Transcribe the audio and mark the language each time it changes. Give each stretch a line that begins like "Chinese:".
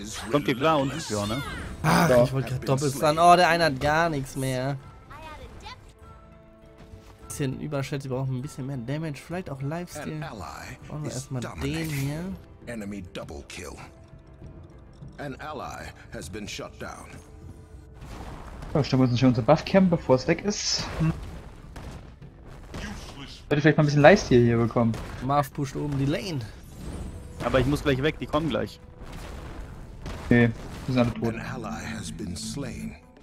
German: Kommt die Blau und die Björn, ne? Ach, ich wollte gerade doppelt dran. Oh, der eine hat gar nichts mehr. Bisschen überschätzt, wir brauchen ein bisschen mehr Damage. Vielleicht auch Lifesteal. Brauchen wir erstmal den hier.
English: Enemy Double Kill. An ally has been shut down.
German: Ja, stellen wir uns hier unser Buff campen, bevor es weg ist. Sollte vielleicht mal ein bisschen Lifesteal hier bekommen. Marv pusht oben die Lane. Aber ich muss gleich weg, die kommen gleich. Okay, die sind alle tot.
English: An ally has been slain.